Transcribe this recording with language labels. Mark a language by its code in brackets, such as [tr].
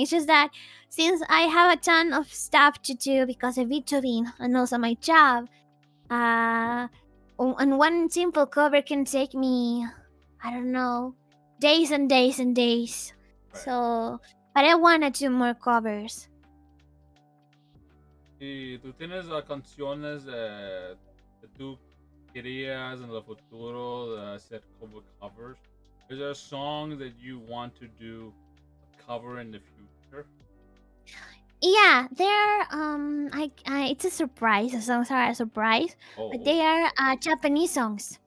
[en] It's just that since I have a ton of stuff to do because of VTubing and also my job, and one simple cover can take me, I don't know, days and days and days. So, but I wanna do more covers. [es] Y tú tienes canciones que tú querías en el futuro de hacer como covers. [en] Is there a song that you want to do a cover in the future? Yeah, they're it's a surprise. The songs are a surprise, but they are Japanese songs.